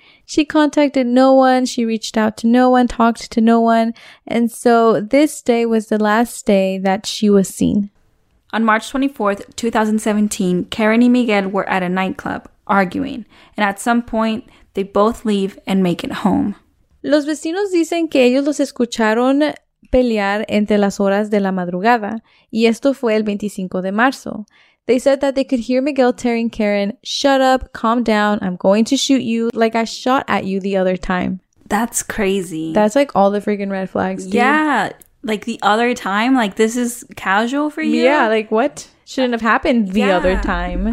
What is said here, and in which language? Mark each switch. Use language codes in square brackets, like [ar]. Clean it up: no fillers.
[en] She contacted no one, she reached out to no one, talked to no one, and so this day was the last day that she was seen. On March 24th, 2017, Karen and Miguel were at a nightclub, arguing, and at some point, they both leave and make it home. [es] Los vecinos dicen que ellos los escucharon pelear entre las horas de la madrugada, y esto fue el 25 de marzo. [en] They said that they could hear Miguel telling Karen, shut up, calm down, I'm going to shoot you, like I shot at you the other time. That's crazy. That's like all the freaking red flags, dude. Yeah, like the other time, like this is casual for you? Yeah, like what? Shouldn't have happened the other time.